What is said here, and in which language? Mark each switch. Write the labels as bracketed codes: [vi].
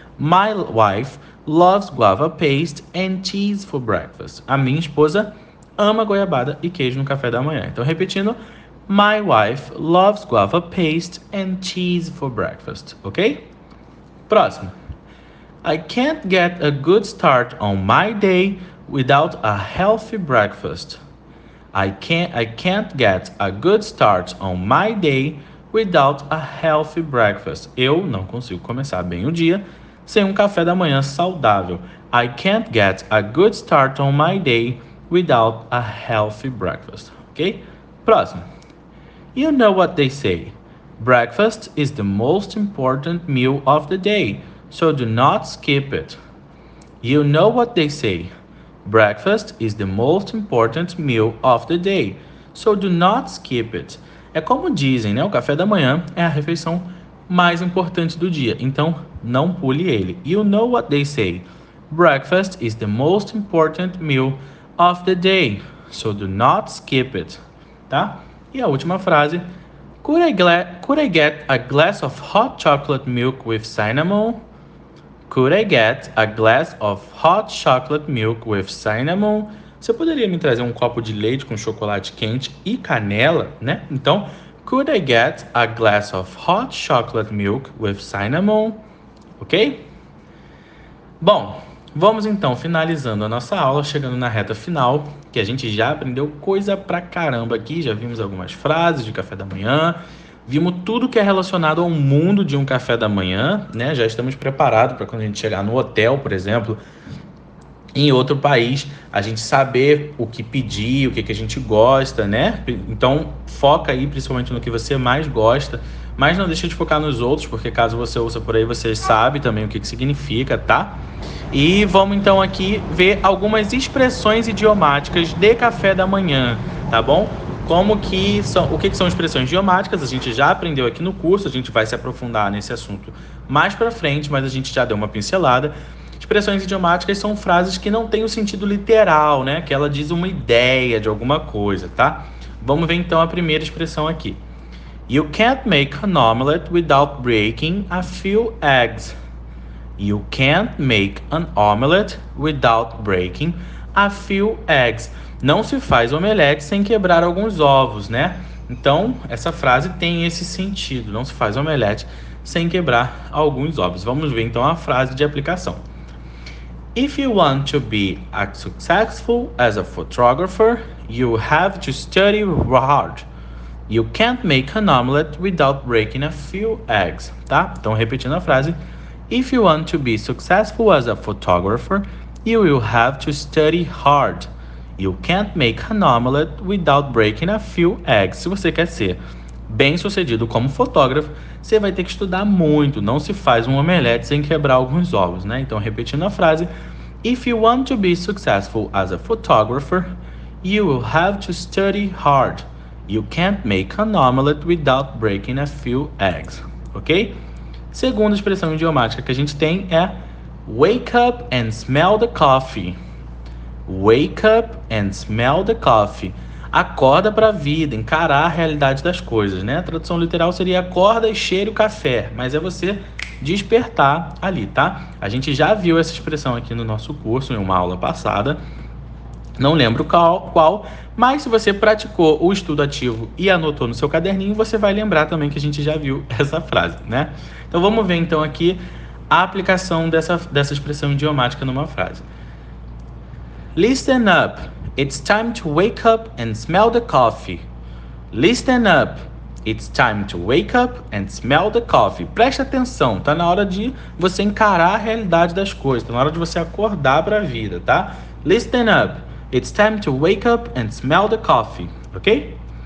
[en] My wife loves guava paste and cheese for breakfast. [pt] A minha esposa ama goiabada e queijo no café da manhã. Então, repetindo: [en] My wife loves guava paste and cheese for breakfast, ok? [pt] Próximo. [en] I can't get a good start on my day without a healthy breakfast. I can't get a good start on my day without a healthy breakfast. [pt] Eu não consigo começar bem o dia sem um café da manhã saudável. [en] I can't get a good start on my day without a healthy breakfast. Ok? [pt] Próximo. [en] You know what they say. Breakfast is the most important meal of the day, so do not skip it. You know what they say. Breakfast is the most important meal of the day, so do not skip it. [pt] É como dizem, né? O café da manhã é a refeição mais importante do dia, então não pule ele. [en] You know what they say. Breakfast is the most important meal of the day, so do not skip it. [pt] Tá? E a última frase. [en] Could I get a glass of hot chocolate milk with cinnamon? Could I get a glass of hot chocolate milk with cinnamon? [pt] Você poderia me trazer um copo de leite com chocolate quente e canela, né? Então, [en] could I get a glass of hot chocolate milk with cinnamon? Ok? [pt] Bom, vamos então finalizando a nossa aula, chegando na reta final, que a gente já aprendeu coisa pra caramba aqui, já vimos algumas frases de café da manhã, vimos tudo que é relacionado ao mundo de um café da manhã, né? Já estamos preparados para quando a gente chegar no hotel, por exemplo, em outro país, a gente saber o que pedir, o que, que a gente gosta, né? Então, foca aí principalmente no que você mais gosta, mas não deixa de focar nos outros, porque caso você ouça por aí, você sabe também o que significa, tá? E vamos então aqui ver algumas expressões idiomáticas de café da manhã, tá bom? Como que são, o que são expressões idiomáticas? A gente já aprendeu aqui no curso, a gente vai se aprofundar nesse assunto mais pra frente, mas a gente já deu uma pincelada. Expressões idiomáticas são frases que não têm o sentido literal, né? Que ela diz uma ideia de alguma coisa, tá? Vamos ver então a primeira expressão aqui. [en] You can't make an omelette without breaking a few eggs. You can't make an omelette without breaking a few eggs. [pt] Não se faz omelete sem quebrar alguns ovos, né? Então, essa frase tem esse sentido. Não se faz omelete sem quebrar alguns ovos. Vamos ver, então, a frase de aplicação. [en] If you want to be as successful as a photographer, you have to study hard. You can't make an omelette without breaking a few eggs. [pt] Tá? Então, repetindo a frase. [en] If you want to be successful as a photographer, you will have to study hard. You can't make an omelette without breaking a few eggs. [pt] Se você quer ser bem-sucedido como fotógrafo, você vai ter que estudar muito. Não se faz um omelete sem quebrar alguns ovos, né? Então, repetindo a frase. [en] If you want to be successful as a photographer, you will have to study hard. You can't make an omelette without breaking a few eggs. [pt] Ok? Segunda expressão idiomática que a gente tem é [en] wake up and smell the coffee. Wake up and smell the coffee. [pt] Acorda para a vida, encarar a realidade das coisas, né? A tradução literal seria acorda e cheire o café, mas é você despertar ali, tá? A gente já viu essa expressão aqui no nosso curso, em uma aula passada. Não lembro qual, mas se você praticou o estudo ativo e anotou no seu caderninho, você vai lembrar também que a gente já viu essa frase, né? Então vamos ver então aqui a aplicação dessa expressão idiomática numa frase. [en] Listen up, it's time to wake up and smell the coffee. Listen up, it's time to wake up and smell the coffee. [pt] Preste atenção, tá na hora de você encarar a realidade das coisas, tá na hora de você acordar para a vida, tá? [en] Listen up, it's time to wake up and smell the coffee, ok?